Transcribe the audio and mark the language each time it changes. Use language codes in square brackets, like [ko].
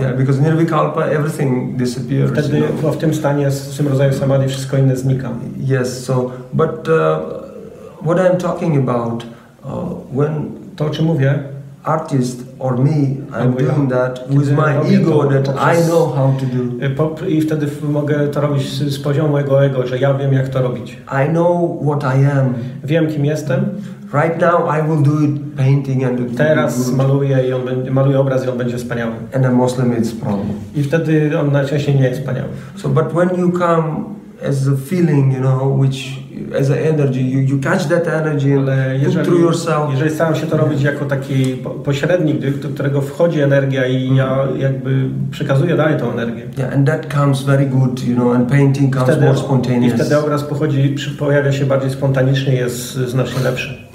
[en] Yeah, because nirvikalpa everything disappears. [pl] Wtedy, [en] you know? [pl] W tym stanie, w tym rodzaju samadhi, wszystko inne znika. [en] Yes. So, but what I'm talking about when [pl] to, o czym mówię, [en] artist or me, I'm doing that with my ego that I know how to do. [pl] I wtedy mogę to robić z poziomu mojego ego, że ja wiem, jak to robić. [en] I know what I am. [pl] Wiem, kim jestem. [en] Right now I will do it painting and [pl] teraz maluję obraz i on będzie wspaniały. [en] And a Muslim is problem. [pl] I wtedy on najczęściej nie jest wspaniały. [en] So, but when you come as a feeling, you know, which as an energy, you catch that energy through yourself. [pl] Jeżeli staram się to robić jako taki pośrednik, do którego wchodzi energia i ja jakby przekazuję dalej tą energię. [en] Yeah, and that comes very good, you know, and painting comes [pl] wtedy, [en] more spontaneous. [pl] I wtedy obraz pojawia się bardziej spontanicznie, jest znacznie lepszy.